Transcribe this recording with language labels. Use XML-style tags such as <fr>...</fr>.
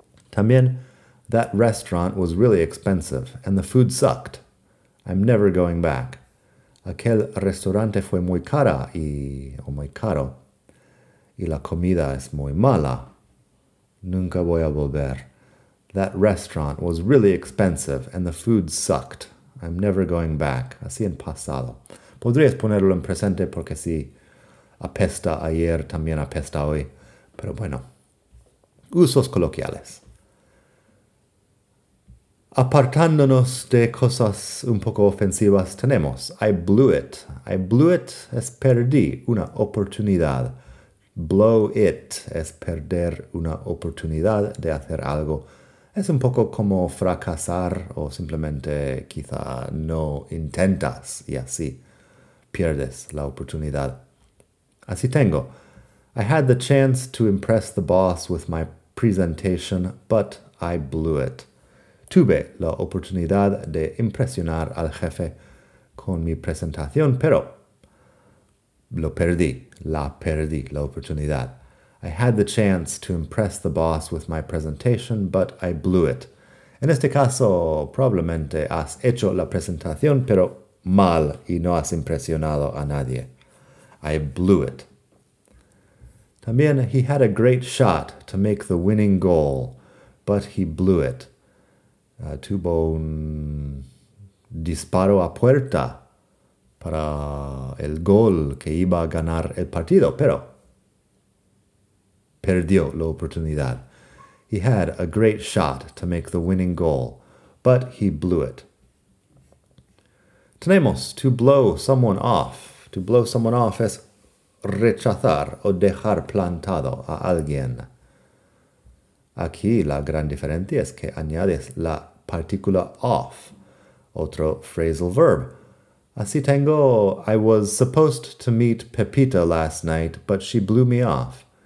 <en>También, that restaurant was really expensive and the food sucked. I'm never going back.</en> <es>Aquel restaurante fue muy cara y, o muy caro. Y la comida es muy mala. Nunca voy a volver.</es> <en>That restaurant was really expensive and the food sucked. I'm never going back.</en> <es>Así en pasado. Podrías ponerlo en presente porque si apesta ayer, también apesta hoy. Pero bueno. Usos coloquiales. Apartándonos de cosas un poco ofensivas, tenemos I blew it. I blew it es perdí una oportunidad. Blow it es perder una oportunidad de hacer algo. Es un poco como fracasar o simplemente quizá no intentas y así pierdes la oportunidad. Así tengo.</es> <en>I had the chance to impress the boss with my presentation, but I blew it.</en> <es>Tuve la oportunidad de impresionar al jefe con mi presentación, pero la perdí la oportunidad.</es> <en>I had the chance to impress the boss with my presentation, but I blew it.</en> <es>En este caso, probablemente has hecho la presentación, pero mal y no has impresionado a nadie.</es> <en>I blew it. También, he had a great shot to make the winning goal, but he blew it.</en> <es>Tuvo un disparo a puerta para el gol que iba a ganar el partido, pero perdió la oportunidad.</es> <en>He had a great shot to make the winning goal, but he blew it.</en> <es>Tenemos to blow someone off. To blow someone off es rechazar o dejar plantado a alguien. Aquí la gran diferencia es que añades la partícula off, otro phrasal verb. Así tengo,</es> <en>I was supposed to meet Pepita last night, but she blew me off.</en>